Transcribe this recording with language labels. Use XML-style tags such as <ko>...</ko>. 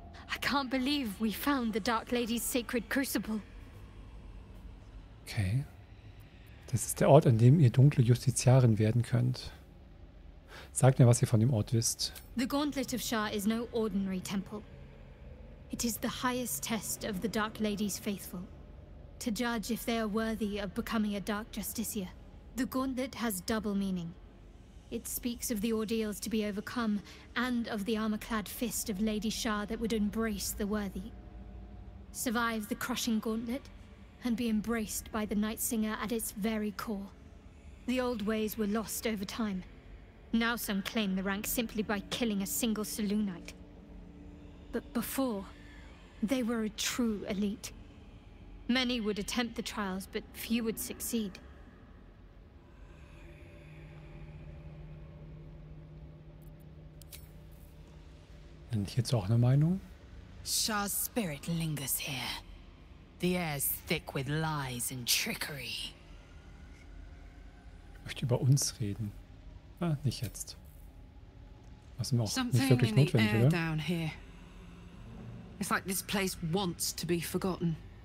<en>I can't believe we found the Dark Lady's sacred crucible. Okay.</en> <de>Das ist der Ort, an dem ihr dunkle Justiziarin werden könnt. Sagt mir, was ihr von dem Ort wisst.</de> <en>The Gauntlet of Shah is no ordinary temple. It is the highest test of the Dark Lady's faithful. To judge if they are worthy of becoming a Dark Justiciar. The Gauntlet has double meaning. It speaks of the ordeals to be overcome, and of the armor-clad fist of Lady Shah that would embrace the worthy. Survive the crushing gauntlet, and be embraced by the Nightsinger at its very core. The old ways were lost over time. Now some claim the rank simply by killing a single Saloonite. But before, they were a true elite. Many would attempt the trials, but few would succeed.</en> <de>Und hierzu auch eine Meinung?</de> <en>Shah's spirit lingers here. The air's thick with lies and trickery.</en> <de>Ich möchte über uns reden. Ah, nicht jetzt. Was ist auch nicht wirklich notwendig, oder?</de> <en>Down here. It's like this place wants to be forgotten.</en>